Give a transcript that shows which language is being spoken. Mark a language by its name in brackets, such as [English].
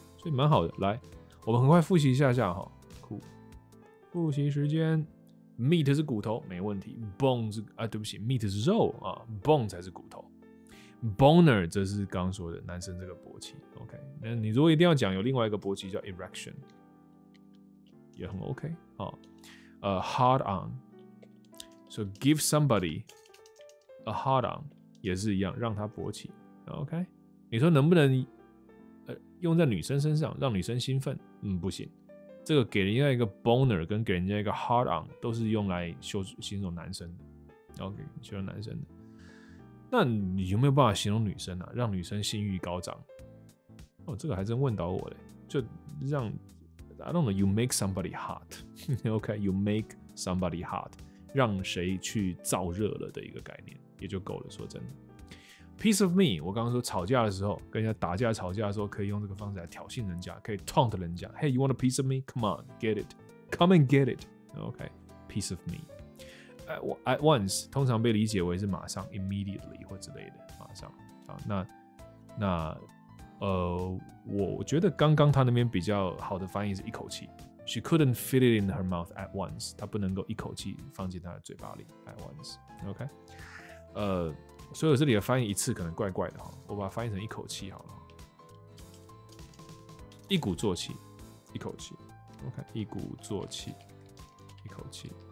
[Chinese] 所以蛮好的，来，我们很快复习一下哈，酷，复习时间 ，meat 是骨头，没问题 ，bone 是啊，对不起 ，meat 是肉啊 ，bone 才是骨头 ，boner 则是刚刚说的男生这个勃起 ，OK， 那你如果一定要讲，有另外一个勃起叫 erection， 也很 OK 啊， [English] hard on， [Chinese] so [English] give somebody a hard on [Chinese] 也是一样，让他勃起 ，OK， 你说能不能？用在女生身上，让女生兴奋，嗯，不行。这个给人家一个 boner 跟给人家一个 [English] hard on [Chinese] 都是用来形容男生的，然后给形容男生的。那你有没有办法形容女生啊？让女生性欲高涨？哦，这个还真问到我嘞。就让 [English] I don't know， you make somebody hot， [Chinese] OK， [English] you make somebody hot， [Chinese] 让谁去燥热了的一个概念也就够了。说真的。 [English] Piece of me， [Chinese] 我刚刚说吵架的时候，跟人家打架吵架的时候，可以用这个方式来挑衅人家，可以 taunt 人家。 [English] Hey， you want a piece of me？ Come on， get it， come and get it。 OK， piece of me。 At once， [Chinese] 通常被理解为是马上 ，immediately 或之类的，马上。好，那我觉得刚刚他那边比较好的翻译是一口气， [English] She couldn't fit it in her mouth at once. [Chinese] 她不能够一口气放进她的嘴巴里 [English] at once. OK. [Chinese] 所以我这里的翻译一次可能怪怪的，我把它翻译成一口气好了。一鼓作气，一口气。OK. 一鼓作气，一口气。